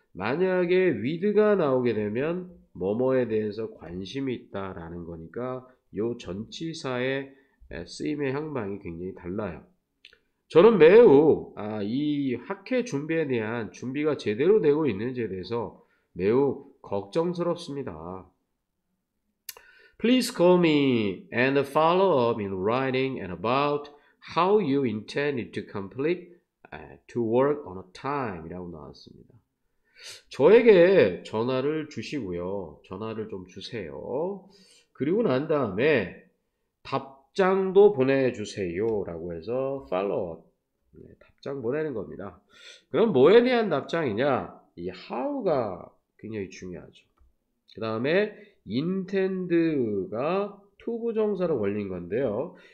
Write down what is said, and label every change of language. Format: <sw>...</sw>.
<ko>만약에 with가 나오게 되면 뭐뭐에 대해서 관심이 있다라는 거니까 요 전치사의 쓰임의 향방이 굉장히 달라요. 저는 매우 이 학회 준비에 대한 준비가 제대로 되고 있는지에 대해서 매우 걱정스럽습니다.</ko> <en>Please call me and follow up in writing and about how you intend to complete to work on a time</en> <ko>이라고 나왔습니다. 저에게 전화를 주시고요. 전화를 좀 주세요. 그리고 난 다음에 답장도 보내주세요. 라고 해서 follow up. 네, 답장 보내는 겁니다. 그럼 뭐에 대한 답장이냐? 이 how가 굉장히 중요하죠. 그 다음에 intend가 to 부정사로 걸린 건데요.</ko>